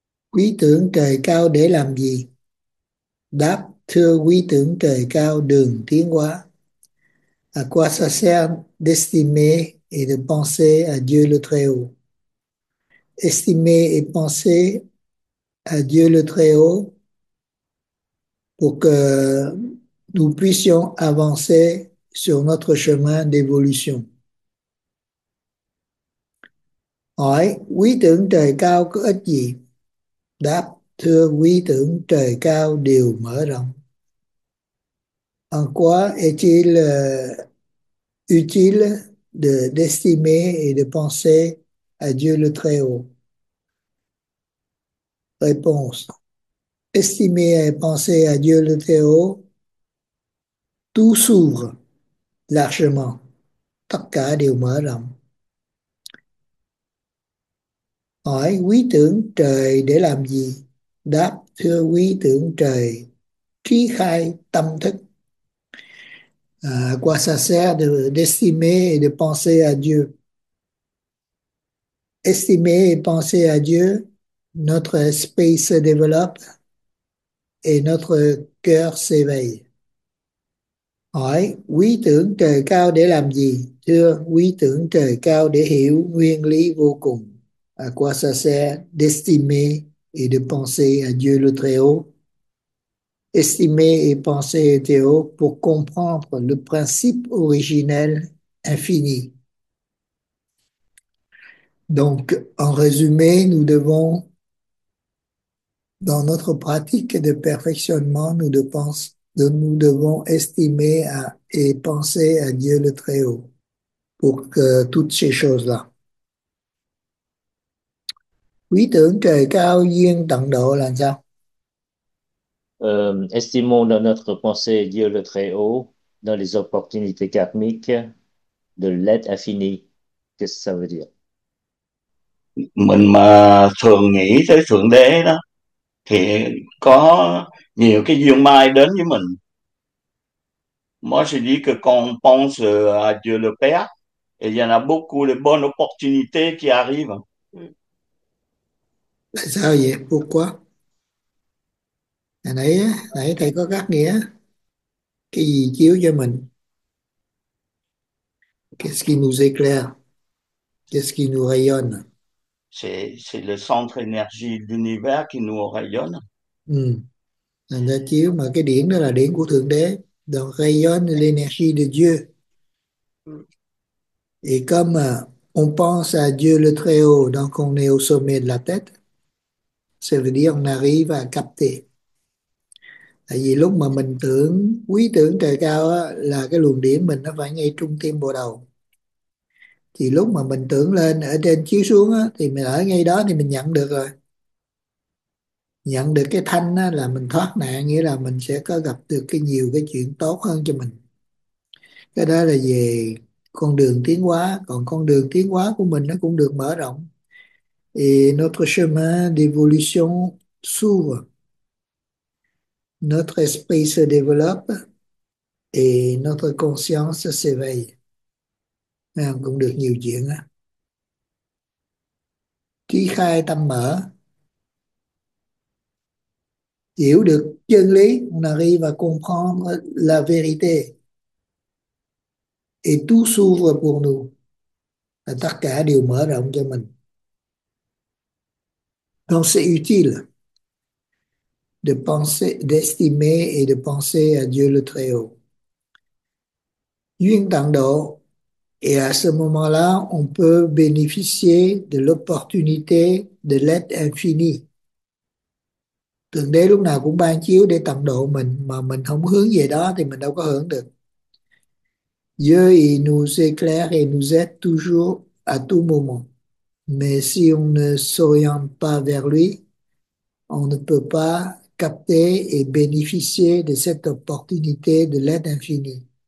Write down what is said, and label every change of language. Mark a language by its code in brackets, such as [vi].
[vi] Quý tưởng trời cao để làm gì? Đáp, thưa quý tưởng trời cao đường tiến hóa. [fr] À quoi ça sert d'estimer et de penser à Dieu le Très-Haut? Estimer et penser à Dieu le Très-Haut pour que nous puissions avancer sur notre chemin d'évolution. [vi] Hỏi, quý tưởng trời cao có ích gì? Đáp, thưa quý tưởng trời cao đều mở rộng. [fr] En quoi est-il utile d'estimer et de penser à Dieu le Très-Haut? Réponse, estimer et penser à Dieu le Très-Haut, tout s'ouvre largement. [vi] Tất cả đều mở rộng. Hỏi quý tưởng trời để làm gì? Đáp thưa quý tưởng trời trí khai tâm thức. [fr] À quoi ça sert d'estimer et de penser à Dieu? Estimer et penser à Dieu, notre esprit se développe et notre cœur s'éveille. [vi] Hỏi, quý tưởng trời cao để làm gì? Thưa, quý tưởng trời cao để hiểu nguyên lý vô cùng. [fr] À quoi ça sert d'estimer et de penser à Dieu le Très-Haut? Estimer et penser au Très-Haut pour comprendre le principe originel infini. Donc, en résumé, nous devons, dans notre pratique de perfectionnement, nous devons penser. Nous devons estimer et penser à Dieu le Très-Haut pour que toutes ces choses-là. [vi] Quý tưởng trời cao duyên tận độ là sao? [fr] Estimons dans notre pensée Dieu le Très-Haut, dans les opportunités karmiques de l'aide infinie. Qu'est-ce que ça veut dire? [vi] Mình mà thường nghĩ tới Thượng Đế đó thì có nhiều cái duyên may đến với mình. [fr] Moi, je dis que quand on pense à Dieu le Père, il y en a beaucoup de bonnes opportunités qui arrivent. [vi] Sao vậy? [fr] Pourquoi? [vi] Nãy thầy có cắt nghĩa cái gì chiếu cho mình? [fr] Qu'est-ce qui nous éclaire? Qu'est-ce qui nous rayonne? C'est le centre énergie de l'univers qui nous rayonne. [vi] Ừ. Nó chiếu mà cái điển đó là điển của Thượng Đế. [fr] Donc rayonne l'énergie de Dieu. Et comme on pense à Dieu le Très-Haut, donc on est au sommet de la tête. Ça veut dire on arrive à capter. [vi] Tại vì lúc mà mình tưởng, quý tưởng trời cao á, là cái luồng điển mình nó phải ngay trung tim bộ đầu. Thì lúc mà mình tưởng lên ở trên chiếu xuống á, thì mình ở ngay đó thì mình nhận được rồi. Nhận được cái thanh á, là mình thoát nạn, nghĩa là mình sẽ có gặp được cái nhiều cái chuyện tốt hơn cho mình. Cái đó là về con đường tiến hóa, còn con đường tiến hóa của mình nó cũng được mở rộng. [fr] Et notre chemin d'évolution s'ouvre. Notre esprit se développe et notre conscience s'éveille. [vi] À, cũng được nhiều chuyện á. Trí khai tâm mở, hiểu được chân lý, [fr] on arrive à comprendre la vérité. Et tout s'ouvre pour nous. [vi] Là tất cả đều mở rộng cho mình. [fr] Pensée utile. D'estimer et de penser à Dieu le Très-Haut. [vi] Duyên tận độ. [fr] Et à ce moment-là, on peut bénéficier de l'opportunité de l'aide infinie. [vi] Thượng Đế lúc nào cũng ban chiếu để tận độ mình, mà mình không hướng về đó thì mình đâu có hưởng được. [fr] Dieu, il nous éclaire et nous aide toujours, à tout moment. Mais si on ne s'oriente pas vers lui, on ne peut pas capter et bénéficier de cette opportunité de l'aide infinie.